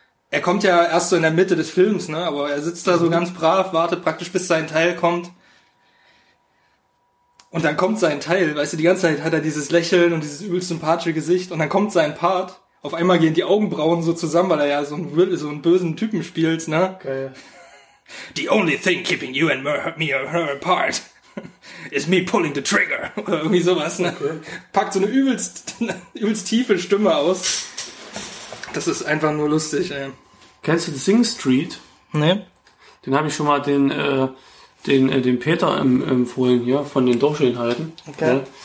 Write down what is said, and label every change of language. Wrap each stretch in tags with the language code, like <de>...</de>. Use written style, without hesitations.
<de>Er kommt ja erst so in der Mitte des Films, ne? Aber er sitzt da so ganz brav, wartet praktisch, bis sein Teil kommt. Und dann kommt sein Teil, weißt du, die ganze Zeit hat er dieses Lächeln und dieses übelst sympathische Gesicht. Und dann kommt sein Part. Auf einmal gehen die Augenbrauen so zusammen, weil er ja so einen bösen Typen spielt, ne? Geil.</de> <en>The only thing keeping you and me or her apart is me pulling the trigger.</en> <de>Oder irgendwie sowas, ne? Okay. Packt so eine übelst tiefe Stimme aus. Das ist einfach nur lustig, ey. Kennst du Sing Street? Nee. Den habe ich schon mal den Peter empfohlen hier, von den Dorschinhalten. Okay.</de>